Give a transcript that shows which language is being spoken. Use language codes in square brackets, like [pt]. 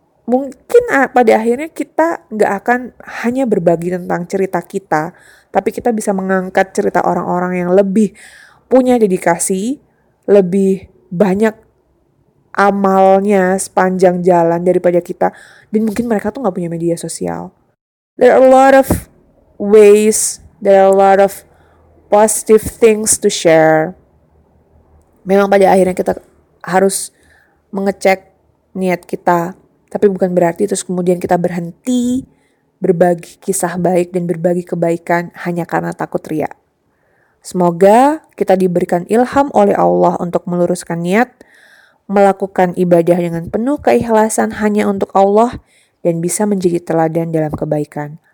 [id] Mungkin pada akhirnya kita gak akan hanya berbagi tentang cerita kita, tapi kita bisa mengangkat cerita orang-orang yang lebih punya dedikasi, lebih banyak amalnya sepanjang jalan daripada kita, dan mungkin mereka tuh gak punya media sosial. [en] There are a lot of ways, there are a lot of positive things to share. [id] Memang pada akhirnya kita harus mengecek niat kita, tapi bukan berarti terus kemudian kita berhenti berbagi kisah baik dan berbagi kebaikan hanya karena takut riya. Semoga kita diberikan ilham oleh Allah untuk meluruskan niat, melakukan ibadah dengan penuh keikhlasan hanya untuk Allah, dan bisa menjadi teladan dalam kebaikan.